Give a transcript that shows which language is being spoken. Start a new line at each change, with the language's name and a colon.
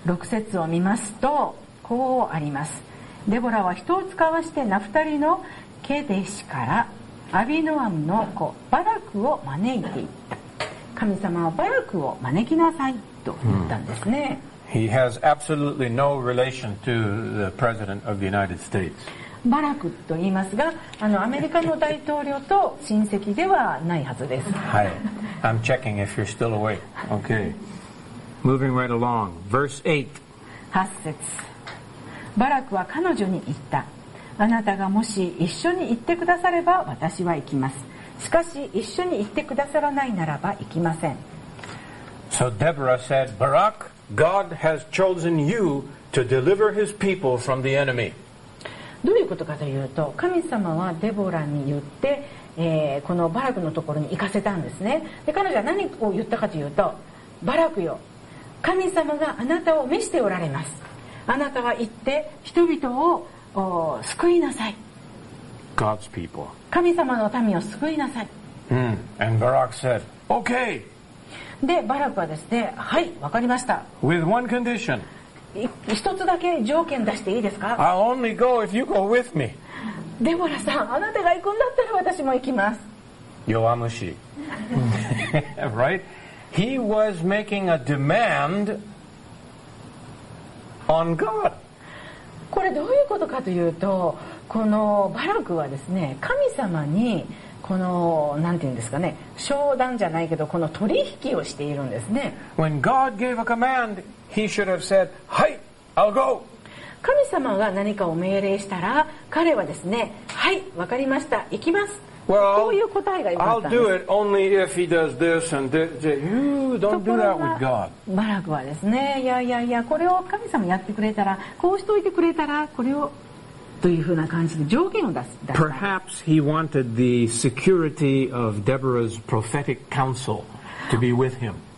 Japanese: 6節を見ますとこうあります。デボラは人を遣わしてナフタリのケデシからアビノアムの子バラクを招いていった。神様はバラクを招きなさいと言ったんですね。
English: He has absolutely no relation to the President of the United States.
Japanese: バラクと言いますが、アメリカの大統領と親戚ではないはずです。はい。
English: I'm checking if you're still awake. Okay. Moving right along. Verse
Japanese: 8. 8節。バラクは彼女に言った。あなたがもし一緒に行ってくだされば私は行きます。しかし一緒に行ってくださらないならば行きません。
English: So Deborah said, Barak,God has chosen you to deliver his people from the enemy.
Japanese: どういうことかというと、神様はデボラに言って、このバラクのところに行かせたんですね。で、彼女は何を言ったかというと、バラクよ、神様があなたを召しておられます。あなたは行って人々を救いなさい。
English: God's people.
Japanese: 神様の民を救いなさい。
English: And Barak said, Okay.
Japanese: で、バラクはですね、はい、わかりました。
English: With one condition.
Japanese: 一つだけ条件出していいですか?
English: I'll only go if you go with me.
Japanese: デボラさん、あなたが行くんだったら私も行きます。弱虫。
English: Right? He was making a demand on God.
Japanese: これどういうことかというと、このバラクはですね、神様にこのなんていうんですかね、商談じゃないけどこの取引をしているんですね。
English: When God gave a command, he should have said, はい、I'll go.
Japanese: 神様が何かを命令したら彼はですね、はい、わかりました、行きます。
English: Well,
Japanese: こういう答えが良かったんです。
English: I'll do it only if he does this and you don't do that with God.
Japanese: バラクはですね、いやいやいや、これを神様やってくれたら、こうしといてくれたら、これをというふうな感じで条件を出す。
English: Perhaps he wanted the security of Deborah's prophetic counsel to be with him.